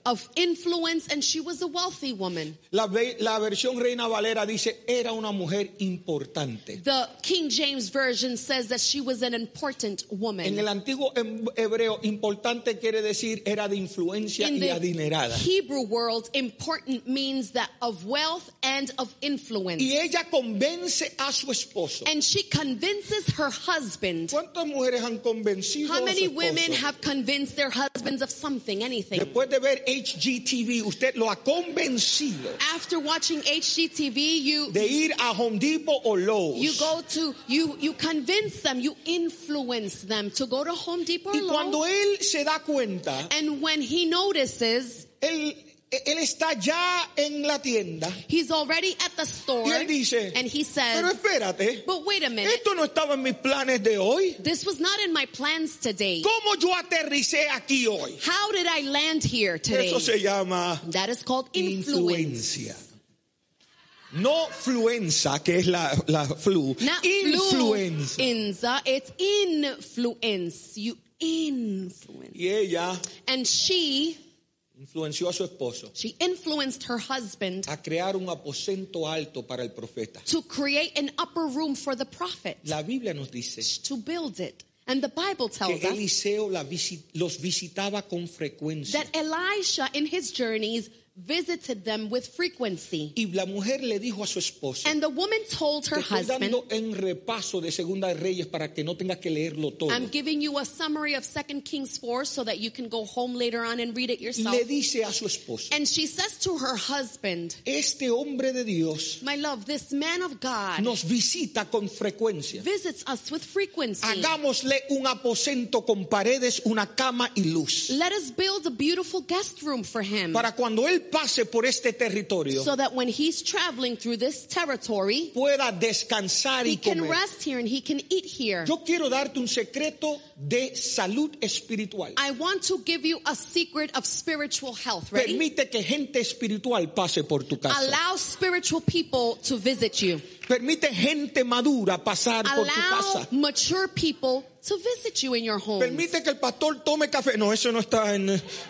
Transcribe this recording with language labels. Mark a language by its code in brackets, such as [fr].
[en] of influence, and she was a wealthy woman. [es] La versión Reina Valera dice, era una mujer importante. [en] The King James Version says that she was an important woman. [es] En el antiguo hebreo, importante quiere decir era de influencia [en] in [es] y adinerada. [en] In the Hebrew world, important means that of wealth and of influence. [es] Y ella convence a su esposo. [en] And she convinces her husband. [es] ¿Cuántas mujeres han convencido a su esposo? [en] How many women have convinced their husbands of something, anything? [es] Después de ver HGTV, usted lo ha convencido. [en] After watching HGTV, you [es] de ir a Home Depot or Lowe's. [en] You go to you convince them, you influence them to go to Home Depot or Lowe's. [es] Y cuando él se da cuenta, [en] and when he notices, [es] él está ya en la tienda. [en] He's already at the store. [es] Y él dice, [en] and he says, [es] pero espérate, [en] but wait a minute. [es] Esto no estaba en mis planes de hoy. [en] This was not in my plans today. [es] ¿Cómo yo aterricé aquí hoy? [en] How did I land here today? [es] Eso se llama, [en] that is called [es] influencia. No fluenza, que es la flu. [en] Not influenza. Influenza, it's influence. You influence. [es] Y ella, [en] and she [es] influenció a su esposo. [en] She influenced her husband [es] a crear un aposento alto para el profeta. [en] To create an upper room for the prophet. [es] La Biblia nos dice, [en] to build it. And the Bible tells [es] que Eliseo los visitaba con frecuencia. [en] That Elisha in his journeys visited them with frequency. [es] Y la mujer le dijo a su esposo, [en] and the woman told her husband, [es] en repaso de Segunda de Reyes para que no tenga que leerlo todo, [en] I'm giving you a summary of 2 Kings 4 so that you can go home later on and read it yourself. [es] Le dice a su esposo, [en] and she says to her husband, [es] este hombre de Dios, [en] my love, this man of God [es] nos visita con frecuencia, [en] visits us with frequency. [es] Hagámosle un aposento con paredes, una cama y luz. [en] Let us build a beautiful guest room for him. [es] Para cuando él pase por este territorio, [en] so that when he's traveling through this territory, [es] pueda descansar [en] he [es] y comer. [en] Can rest here and he can eat here. [es] Yo quiero darte un secreto de salud espiritual. [en] I want to give you a secret of spiritual health. Ready? [es] Permite que gente espiritual pase por tu casa. [en] Allow spiritual people to visit you. [es] Permite gente madura pasar [en] allow [es] por tu casa. [en] Allow mature people to visit you in your home. [es] Permite que el pastor tome café. No, eso no está en.